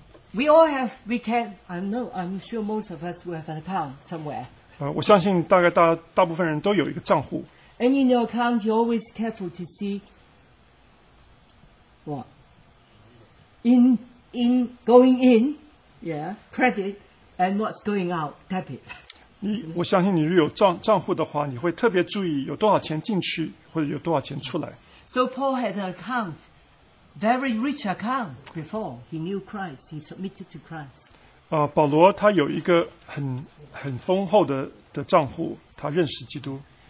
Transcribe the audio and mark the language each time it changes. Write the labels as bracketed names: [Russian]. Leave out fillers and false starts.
[English] We all have, we can, I know, I'm sure most of us will have an account somewhere. [Chinese] 我相信大概大部分人都有一个账户。 [English] And in your account, you're always careful to see what? In going in, yeah, credit, and what's going out, debit. [Chinese] 我相信你如果有账户的话, 你会特别注意有多少钱进去或者有多少钱出来。 [English] So Paul had an account, very rich account before he knew Christ, he submitted to Christ. [Chinese] 保罗他有一个很丰厚的账户, 他认识基督。